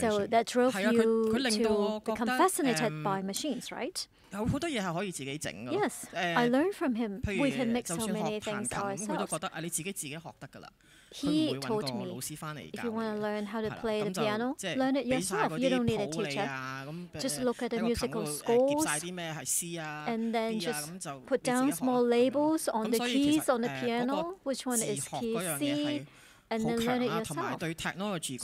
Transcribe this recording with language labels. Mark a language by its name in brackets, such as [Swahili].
[English] So that drove you to become fascinated by machines, right? [Cantonese] 有好多嘢係可以自己整㗎。 [English] Yes, I learned from him. We can make so many things ourselves. [Cantonese] 佢都覺得你自己學得㗎啦。 [English] He told me, if you want to learn how to play the piano, learn it yourself. You don't need a teacher. Just look at the musical scores, and then just put down small labels on the keys on the piano, which one is key C, and then learn it yourself.